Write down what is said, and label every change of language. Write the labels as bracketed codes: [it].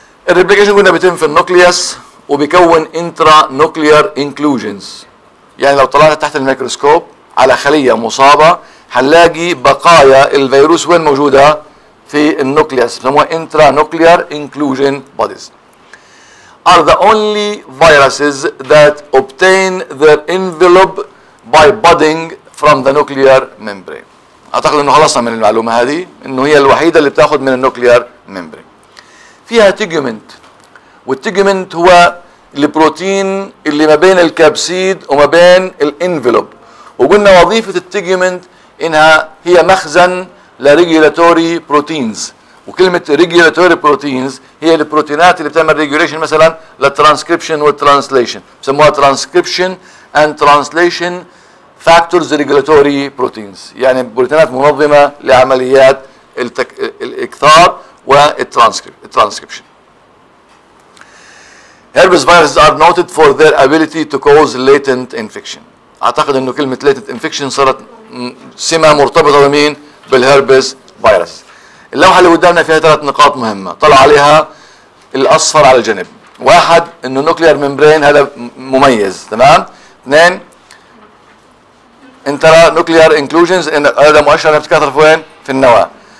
[ar] الريبليكيشن قلنا بيتم في النوكليوس وبيكون انترا نوكليار انكلوجنز، يعني لو طلعنا تحت الميكروسكوب على خلية مصابة هنلاقي بقايا الفيروس وين موجودة؟ في النوكليوس، بسموها انترا نوكليار انكلوجن بوديز. [en] Are the only viruses that obtain their envelope by budding from the nuclear membrane. [ar] اعتقد انه خلصنا من المعلومة هذه، انه هي الوحيدة اللي بتاخد من النوكليار membrane. فيها تيجمنت، والتيجمنت هو البروتين اللي ما بين الكابسيد وما بين الانفلوب، وقلنا وظيفة التيجمنت انها هي مخزن لريجيلاتوري بروتينز، وكلمة [en] regulatory proteins [ar] هي البروتينات اللي بتعمل regulation مثلا للترانسكريبشن والترانسليشن، بسموها [en] transcription and translation factors regulatory proteins، [ar] يعني بروتينات منظمة لعمليات الإكثار والترانسكريبشن. [en] Herpes viruses are noted for their ability to cause latent infection. [ar] أعتقد أنه كلمة [en] latent infection [ar] صارت سمة مرتبطة بمين؟ بالهربس فيروس. اللوحة اللي قدامنا فيها ثلاث نقاط مهمة، طلع عليها الأصفر على الجنب، واحد إنه نوكليار ممبرين هذا مميز، تمام؟ اثنين انترا نوكليار انكلوجنز هذا مؤشر إنه بتكاثر في وين؟ في النواة.